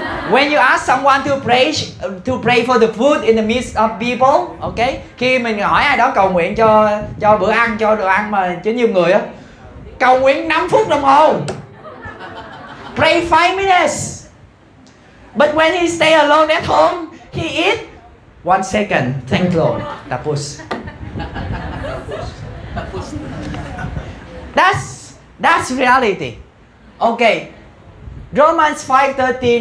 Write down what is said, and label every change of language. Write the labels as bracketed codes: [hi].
[en] When you ask someone to pray for the food in the midst of people, okay? [vi] Khi mình hỏi ai đó cầu nguyện cho bữa ăn, cho đồ ăn mà cho nhiều người á, cầu nguyện 5 phút đồng hồ. [en] Pray 5 minutes. But when he stay alone at home, he eat 1 second, thank Lord. [tl] Tapos. [en] That's reality. Okay. Romans 5:30.